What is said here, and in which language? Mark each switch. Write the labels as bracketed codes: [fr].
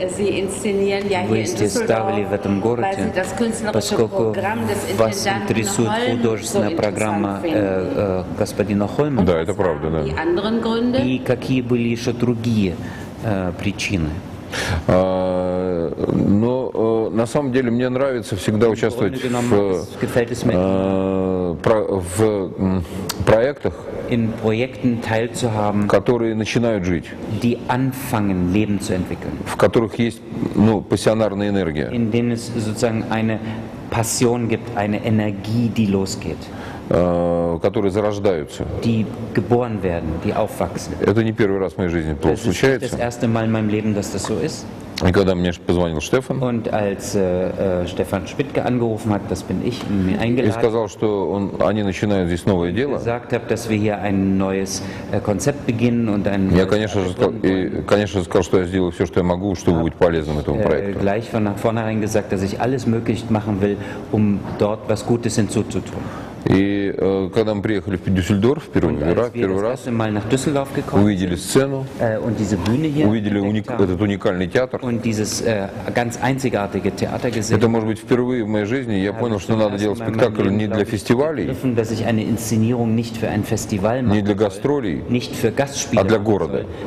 [de] Sie inszenieren ja hier in Düsseldorf, [ru] ставили в этом городе, [de] weil Sie das künstlerische Programm des Intendanten Holm so interessant finden. [ru] Господина Хольма. Да, это правда, да. И [de] anderen Gründe? [ru] И какие были еще другие причины? Но на самом деле мне нравится всегда участвовать в проектах, [de] in Projekten teilzuhaben, [ru] которые начинают жить, [de] die anfangen, Leben zu entwickeln, [ru] в которых есть пассионарная энергия, [de] in denen es sozusagen eine Passion gibt, eine Energie, die losgeht, [ru] которые зарождаются. [de] Die geboren werden, die aufwachsen. [ru] Это не первый раз в моей жизни [de] das [ru] случается. [de] Das ist das erste Mal in meinem Leben, dass das so ist. [ru] И когда мне позвонил Стефан, [de] und als Stefan Spittke angerufen hat, das bin ich, ihn eingeladen. [ru] И сказал, что они начинают здесь новое дело. [de] Gesagt habe, dass wir hier ein neues Konzept beginnen und ein. [ru] Я, конечно, сказал, что я сделаю все, что я могу, чтобы быть полезным этому проекту. [de] Gleich von vornherein gesagt, dass ich alles möglich machen will, um dort was Gutes hinzuzutun. [ru] И когда мы приехали в Дюссельдорф первый раз увидели сцену, увидели этот уникальный театр, это, может быть, впервые в моей жизни я понял, что надо делать спектакль не для фестивалей, не для гастролей, а для города.